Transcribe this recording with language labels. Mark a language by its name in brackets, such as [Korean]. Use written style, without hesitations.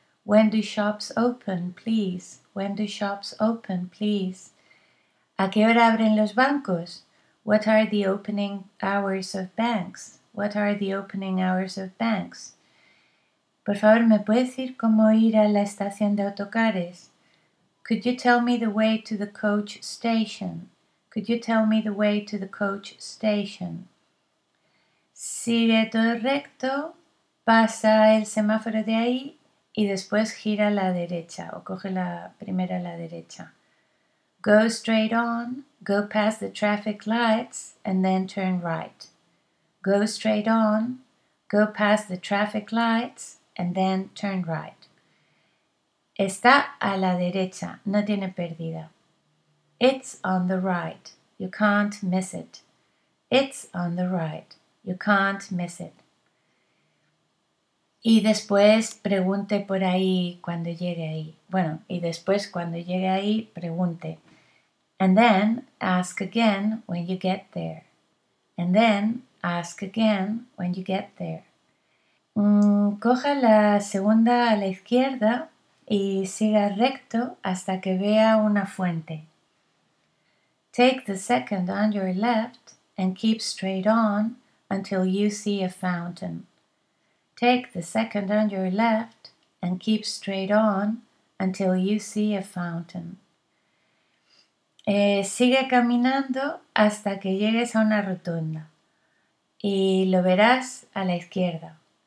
[English] When do shops open, please? When do shops open, please? [Spanish] ¿A qué hora abren los bancos? [English] What are the opening hours of banks? What are the opening hours of banks? [Spanish] Por favor, ¿me puede decir cómo ir a la estación de autocares? [English] Could you tell me the way to the coach station? Could you tell me the way to the coach station? [Spanish] Sigue todo recto, pasa el semáforo de ahí y después gira a la derecha o coge la primera a la derecha. [English] Go straight on, go past the traffic lights and then turn right. Go straight on, go past the traffic lights and then turn right. [Spanish] Está a la derecha, no tiene pérdida. [English] It's on the right, you can't miss it. It's on the right, you can't miss it. [Spanish] Y después pregunte por ahí cuando llegue ahí. Bueno, y después cuando llegue ahí, pregunte. [English] And then ask again when you get there. And then ask again when you get there. [Spanish] Coja la segunda a la izquierda y siga recto hasta que vea una fuente. [English] Take the second on your left and keep straight on until you see a fountain. Take the second on your left and keep straight on until you see a fountain. [Spanish] Sigue caminando hasta que llegues a una rotonda y lo verás a la izquierda.